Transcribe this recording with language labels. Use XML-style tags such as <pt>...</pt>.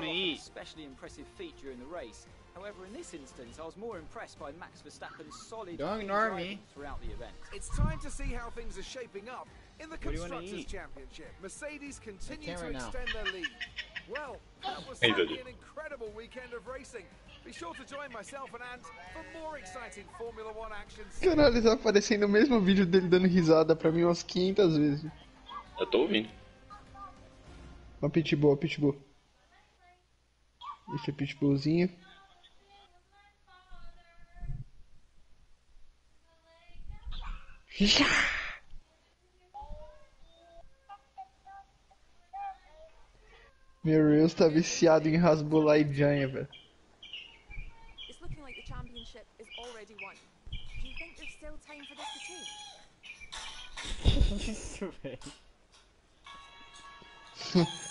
<en>an especially impressive feat during the race. However, in this instance, I was more impressed by Max Verstappen's solid driving throughout the event. It's time to see how things are shaping up in the Constructors' Championship. Mercedes continue to extend their lead. Well, that was certainly an incredible weekend of racing. Be sure to join myself and Ant for more exciting Formula 1 action.</en> <pt>Caralho, ele tá aparecendo o mesmo vídeo dele dando risada pra mim umas 500 vezes. Eu tô ouvindo. Uma pitbull, Esse é pitbullzinho. Meu Deus, tá viciado em rasbular e janha, velho.</pt> <en>It's looking like the championship is already won. Do you think there's still time for this to change?</en>